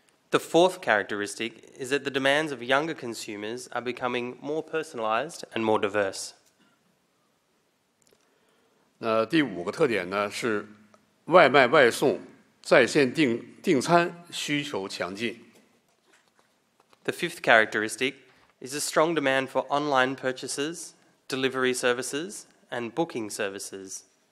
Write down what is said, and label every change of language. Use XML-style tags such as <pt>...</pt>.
<en>The fourth characteristic is that the demands of younger consumers are becoming more personalized and more diverse.</en> <zh>那第五个特点呢，是外卖外送、在线订餐需求强劲。</zh> <en>The fifth characteristic is a strong demand for online purchases, delivery services, and booking services.</en>